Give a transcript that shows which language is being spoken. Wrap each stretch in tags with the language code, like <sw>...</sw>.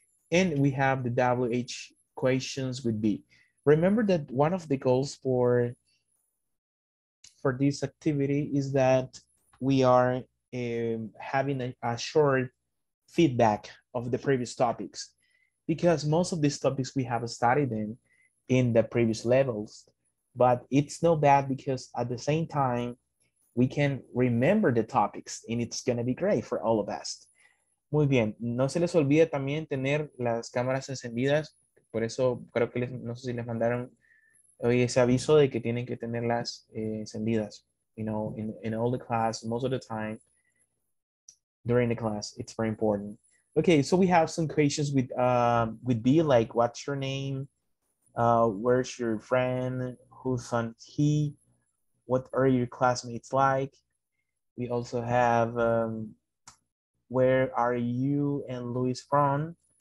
<en>And we have the WH questions would be. Remember that one of the goals for this activity is that we are having a short feedback of the previous topics, because most of these topics we have studied them in the previous levels, but it's no bad because at the same time we can remember the topics and it's going to be great for all of us.</en> <es>Muy bien, no se les olvide también tener las cámaras encendidas. Por eso creo que no sé si les mandaron hoy ese aviso de que tienen que tenerlas encendidas.</es> <en>In all the class, most of the time, during the class, it's very important. Okay, so we have some questions with B, like what's your name? Where's your friend? Who's on he? What are your classmates like? We also have where are you and Luis from?</en>